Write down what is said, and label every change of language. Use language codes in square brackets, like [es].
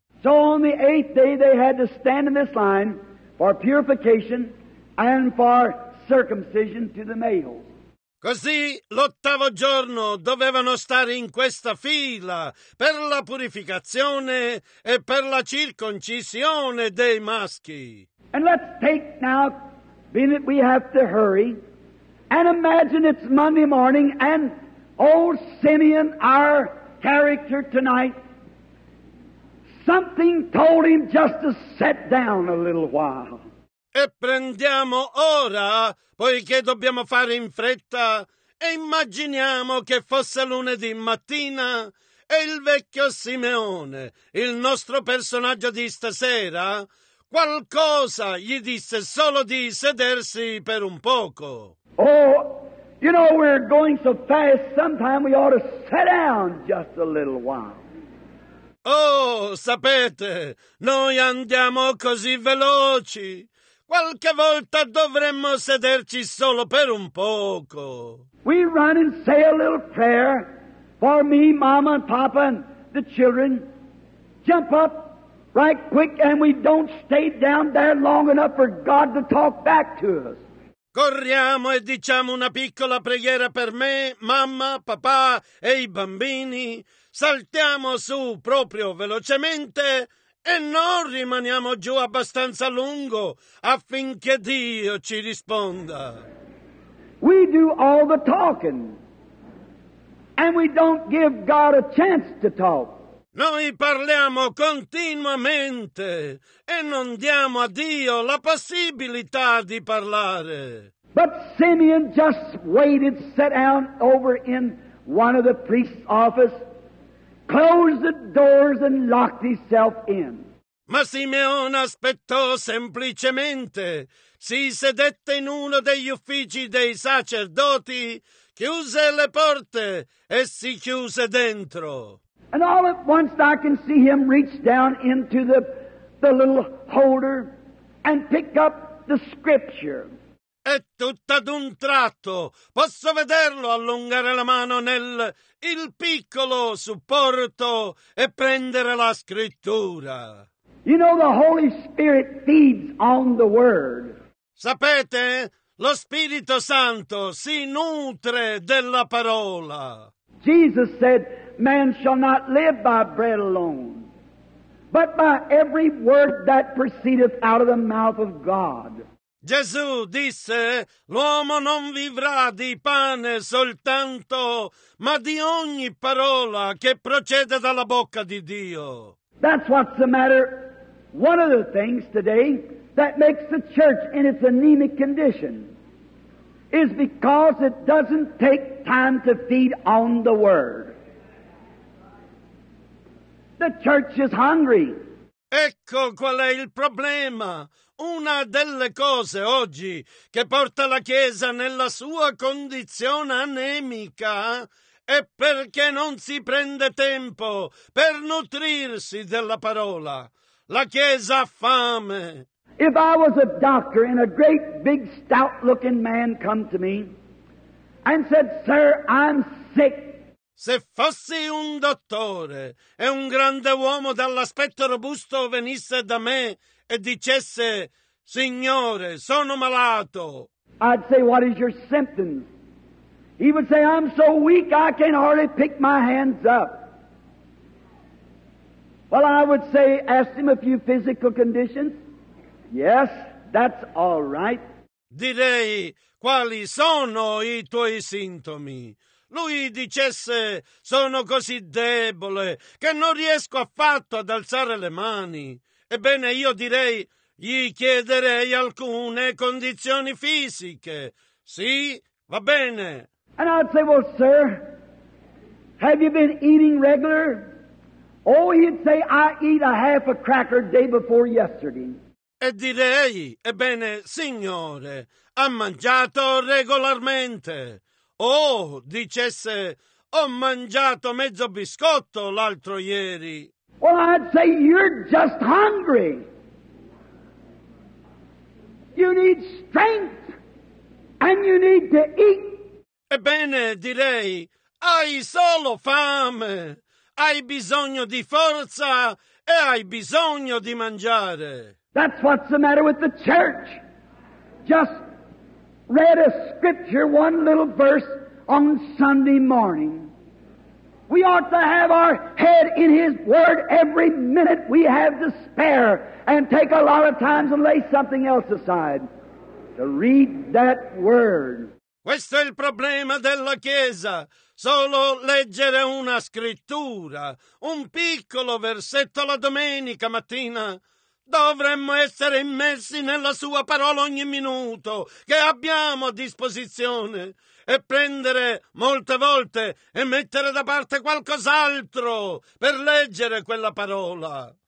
[en] So on the eighth day they had to stand in this line for purification and for circumcision to the males. [it] Così l'ottavo giorno dovevano stare in questa fila per la purificazione e per la circoncisione dei maschi. [en] And let's take now, being that we have to hurry, and imagine it's Monday morning and old Simeon, our character tonight, something told him just to sit down a little while. [it] E prendiamo ora, poiché dobbiamo fare in fretta, e immaginiamo che fosse lunedì mattina e il vecchio Simeone, il nostro personaggio di stasera, qualcosa gli disse solo di sedersi per un poco. [en] Oh, you know, we're going so fast, sometime we ought to sit down just a little while. [it] Oh, sapete, noi andiamo così veloci. Qualche volta dovremmo sederci solo per un poco. [en] We run and say a little prayer for me, mama, and papa, and the children. Jump up right quick and we don't stay down there long enough for God to talk back to us. [it] Corriamo e diciamo una piccola preghiera per me, mamma, papà e i bambini. Saltiamo su proprio velocemente. E non rimaniamo giù abbastanza lungo affinché Dio ci risponda. [en] We do all the talking, and we don't give God a chance to talk. [it] Noi parliamo continuamente e non diamo a Dio la possibilità di parlare. [en] But Simeon just waited, sat down over in one of the priest's office, closed the doors and locked himself in. [it] Ma Simeone aspettò semplicemente, si sedette in uno degli uffici dei sacerdoti, chiuse le porte e si chiuse dentro. [en] And all at once I can see him reach down into the little holder and pick up the scripture. [it] E tutto ad un tratto posso vederlo allungare la mano nel il piccolo supporto e prendere la scrittura. [en] You know, the Holy Spirit feeds on the Word. [it] Sapete, lo Spirito Santo si nutre della parola. [en] Jesus said, man shall not live by bread alone, but by every word that proceedeth out of the mouth of God. [it] Gesù disse, l'uomo non vivrà di pane soltanto, ma di ogni parola che procede dalla bocca di Dio. [en] That's what's the matter. One of the things today that makes the church in its anemic condition is because it doesn't take time to feed on the Word. The church is hungry. [it] Ecco qual è il problema. Una delle cose oggi che porta la Chiesa nella sua condizione anemica è perché non si prende tempo per nutrirsi della parola. La Chiesa ha fame. [en] If I was a doctor and a great big stout looking man come to me and said, sir, I'm sick. [it] Se fossi un dottore e un grande uomo dall'aspetto robusto venisse da me e dicesse, Signore, sono malato. [en] I'd say, what is your symptoms? He would say, I'm so weak I can hardly pick my hands up. Well, I would say, ask him a few physical conditions. Yes, that's all right. [it] Direi, quali sono i tuoi sintomi? Lui dicesse, sono così debole che non riesco affatto ad alzare le mani. Ebbene, io direi, gli chiederei alcune condizioni fisiche. Sì, va bene. [en] And I'd say, well, sir, have you been eating regular? Oh, he'd say, I eat a half a cracker day before yesterday. [it] E direi, ebbene, signore, ha mangiato regolarmente. Oh, dicesse, ho mangiato mezzo biscotto l'altro ieri. [en] Well, I'd say, you're just hungry. You need strength and you need to eat. [it] Ebbene, direi, hai solo fame, hai bisogno di forza e hai bisogno di mangiare. [en] That's what's the matter with the church. Just read a scripture, one little verse on Sunday morning. We ought to have our head in His Word every minute we have to spare and take a lot of times and lay something else aside to read that Word. [it] Questo è il problema della Chiesa. Solo leggere una scrittura, un piccolo versetto la domenica mattina. Dovremmo essere immersi nella Sua parola ogni minuto che abbiamo a disposizione e prendere molte volte e mettere da parte qualcos'altro per leggere quella parola.